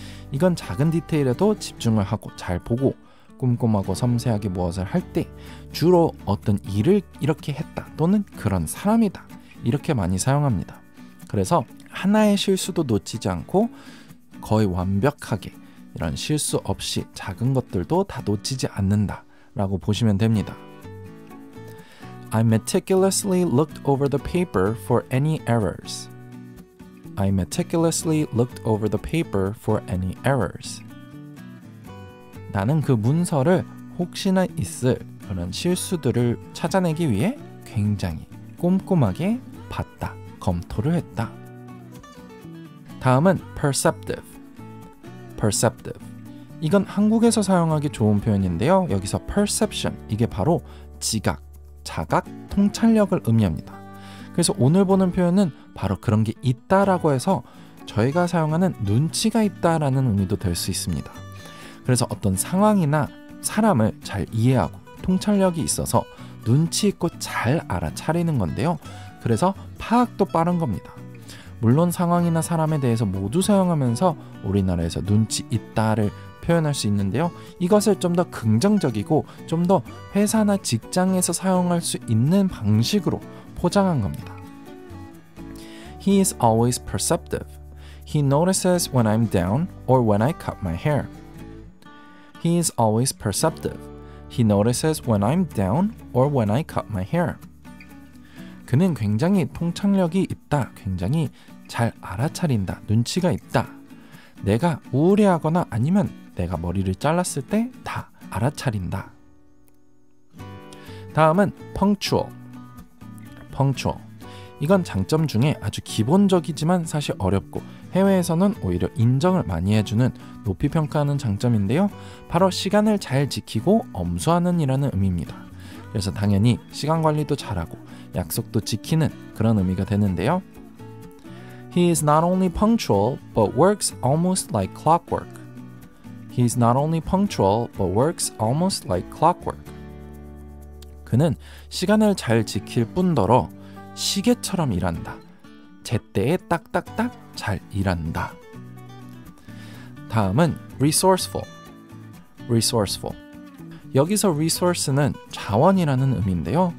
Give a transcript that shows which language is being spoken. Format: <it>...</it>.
<ko>이건 작은 디테일에도 집중을 하고 잘 보고 꼼꼼하고 섬세하게 무엇을 할 때 주로 어떤 일을 이렇게 했다 또는 그런 사람이다 이렇게 많이 사용합니다. 그래서 하나의 실수도 놓치지 않고 거의 완벽하게 이런 실수 없이 작은 것들도 다 놓치지 않는다 라고 보시면 됩니다.</ko> <en>I meticulously looked over the paper for any errors. I meticulously looked over the paper for any errors.</en> <ko>나는 그 문서를 혹시나 있을 그런 실수들을 찾아내기 위해 굉장히 꼼꼼하게 봤다. 검토를 했다. 다음은 perceptive. perceptive. 이건 한국에서 사용하기 좋은 표현인데요. 여기서 perception 이게 바로 지각, 자각, 통찰력을 의미합니다. 그래서 오늘 보는 표현은 바로 그런 게 있다라고 해서 저희가 사용하는 눈치가 있다라는 의미도 될 수 있습니다. 그래서 어떤 상황이나 사람을 잘 이해하고 통찰력이 있어서 눈치 있고 잘 알아차리는 건데요. 그래서 파악도 빠른 겁니다. 물론 상황이나 사람에 대해서 모두 사용하면서 우리나라에서 눈치 있다를 표현할 수 있는데요. 이것을 좀 더 긍정적이고 좀 더 회사나 직장에서 사용할 수 있는 방식으로 포장한 겁니다.</ko> <en>He is always perceptive. He notices when I'm down or when I cut my hair. He is always perceptive. He notices when I'm down or when I cut my hair.</en> <ko>그는 굉장히 통찰력이 있다. 굉장히 잘 알아차린다. 눈치가 있다. 내가 우울해하거나 아니면 내가 머리를 잘랐을 때 다 알아차린다. 다음은 punctual. punctual. 이건 장점 중에 아주 기본적이지만 사실 어렵고 해외에서는 오히려 인정을 많이 해주는 높이 평가하는 장점인데요. 바로 시간을 잘 지키고 엄수하는 이라는 의미입니다. 그래서 당연히 시간 관리도 잘하고 약속도 지키는 그런 의미가 되는데요.</ko> <en>He is not only punctual, but works almost like clockwork. He is not only punctual, but works almost like clockwork.</en> <ko>그는 시간을 잘 지킬 뿐더러 시계처럼 일한다. 제때에 딱딱딱 잘 일한다. 다음은 resourceful. resourceful. 여기서 resource는 자원이라는 의미인데요.</ko>